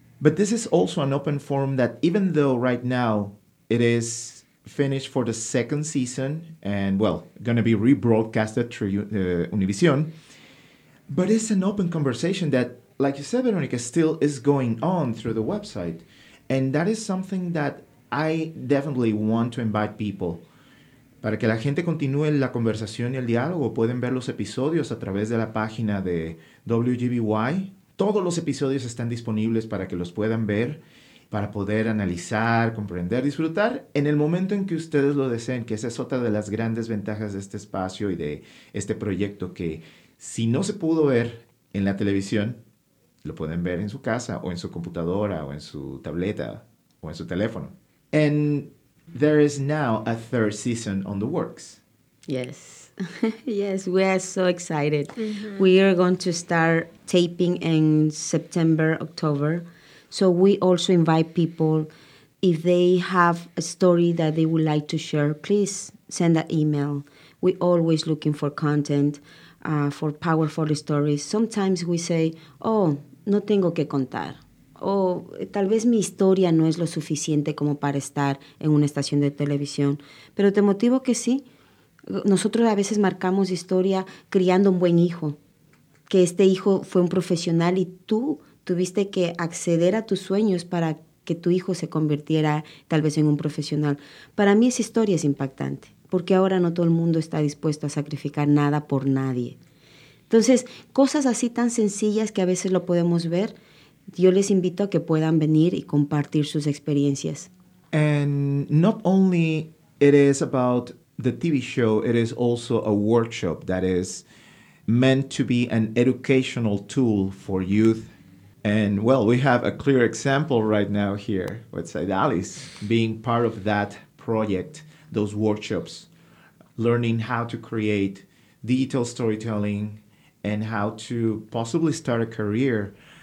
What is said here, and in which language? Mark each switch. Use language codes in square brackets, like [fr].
[en] But this is also an open forum that even though right now it is finished for the second season and, well, going to be rebroadcasted through Univision, but it's an open conversation that, like you said, Veronica, still is going on through the website. And that is something that I definitely want to invite people. [es] Para que la gente continúe la conversación y el diálogo, pueden ver los episodios a través de la página de WGBY. Todos los episodios están disponibles para que los puedan ver, para poder analizar, comprender, disfrutar en el momento en que ustedes lo deseen, que esa es otra de las grandes ventajas de este espacio y de este proyecto, que si no se pudo ver en la televisión, lo pueden ver en su casa o en su computadora o en su tableta o en su teléfono. [en] And there is now a third season on the works. Yes. Yes, we are so excited. Mm-hmm. We are going to start taping in September, October. So we also invite people, if they have a story that they would like to share, please send an email. We're always looking for content, for powerful stories. Sometimes we say, oh, [es] no tengo que contar. O tal vez mi historia no es lo suficiente como para estar en una estación de televisión. Pero te motivo que sí. Nosotros a veces marcamos historia criando un buen hijo. Que este hijo fue un profesional y tú tuviste que acceder a tus sueños para que tu hijo se convirtiera tal vez en un profesional. Para mí esa historia es impactante. Porque ahora no todo el mundo está dispuesto a sacrificar nada por nadie. Entonces, cosas así tan sencillas que a veces lo podemos ver, yo les invito a que puedan venir y compartir sus experiencias. [en] And not only it is about the TV show, it is also a workshop that is meant to be an educational tool for youth. And, well, we have a clear example right now here with Zydalis being part of that project, those workshops, learning how to create digital storytelling and how to possibly start a career.